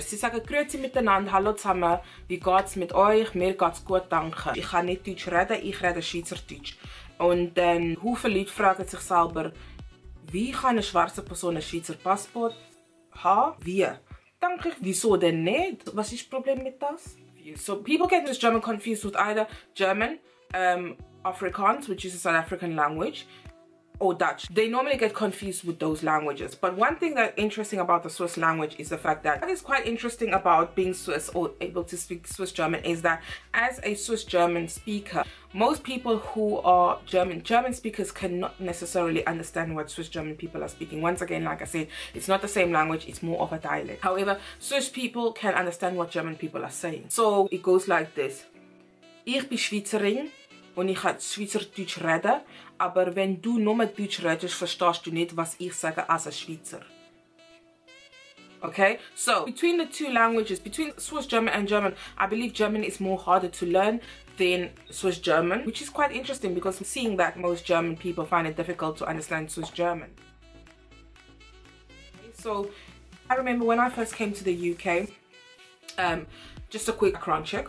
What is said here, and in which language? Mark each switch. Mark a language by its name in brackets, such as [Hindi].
[German] Sie sagen Grüezi miteinander, hallo zusammen, wie geht's mit euch? Mir geht's gut, danke. Ich kann nicht Deutsch reden, ich rede Schweizerdeutsch. Und dann, wie viele Leute fragen sich selber, wie kann eine schwarze Person ein Schweizer Passport haben? Wie? Danke. Wieso denn nicht? Was ist das Problem mit das? [English] So people get this German confused with either German, Afrikaans, which is a South African language, or Dutch. They normally get confused with those languages. But one thing that's interesting about the Swiss language is the fact that what is quite interesting about being Swiss or able to speak Swiss German is that as a Swiss German speaker, most people who are German speakers cannot necessarily understand what Swiss German people are speaking. Once again, like I said, it's not the same language, it's more of a dialect. However, Swiss people can understand what German people are saying. So it goes like this. [German] Ich bin Schweizerin. Und ich kann Schweizerdeutsch reden, aber wenn du nur mit Deutsch redest, verstehst du nicht, was ich sage als ein Schweizer. [English] Okay, so between the two languages, between Swiss German and German, I believe German is more harder to learn. within Swiss German, which is quite interesting because I'm seeing that most German people find it difficult to understand Swiss German. So I remember when I first came to the UK, just a quick background check.